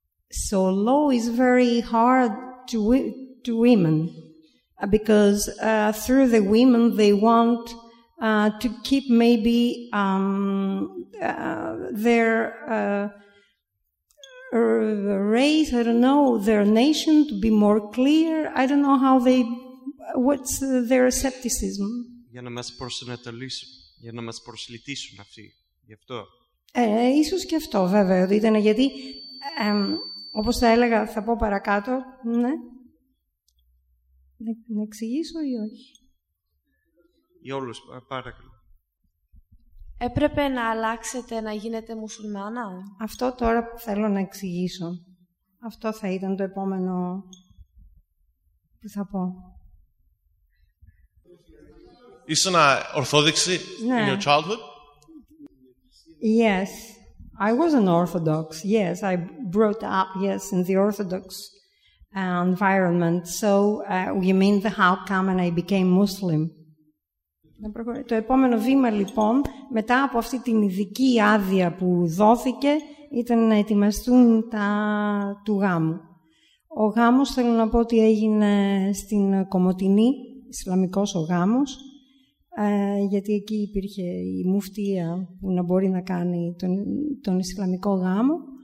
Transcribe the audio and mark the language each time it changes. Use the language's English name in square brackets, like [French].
[English] So law is very hard to women, because through the women they want to keep maybe their race, I don't know, their nation to be more clear. I don't know how they, what's their scepticism. [Greek] Για να μας προσανατολίσουν, για να μας προσλητήσουν αυτοί, γι' αυτό. Ίσως και αυτό βέβαια, ότι ήταν γιατί, όπως θα έλεγα, θα πω παρακάτω, ναι. Να εξηγήσω ή όχι. Για όλους, παρακαλώ. Έπρεπε να αλλάξετε, να γίνετε μουσουλμάνα. Αυτό τώρα θέλω να εξηγήσω. Αυτό θα ήταν το επόμενο που θα πω. Ήσουν ορθόδοξη [English] in your childhood? Yes, I was an Orthodox. Yes, I brought up, yes, in the Orthodox environment. So, you mean the how come and I became Muslim? [Greek] Το επόμενο βήμα, λοιπόν, μετά από αυτή την ειδική άδεια που δόθηκε, ήταν να ετοιμαστούν τα του γάμου. Ο γάμος, θέλω να πω ότι έγινε στην Κομωτινή, Ισλαμικός ο γάμος, γιατί εκεί υπήρχε η μουφτία που να μπορεί να κάνει τον Ισλαμικό γάμο.